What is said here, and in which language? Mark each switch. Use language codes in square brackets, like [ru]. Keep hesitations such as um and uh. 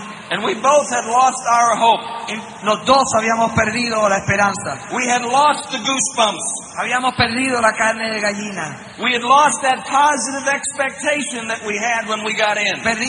[en] And we both had lost our hope. [es] Los dos habíamos perdido la esperanza. [en] We had lost the goosebumps. [es] Habíamos perdido la carne de gallina. [en] We had lost that positive expectation that we had when we got in.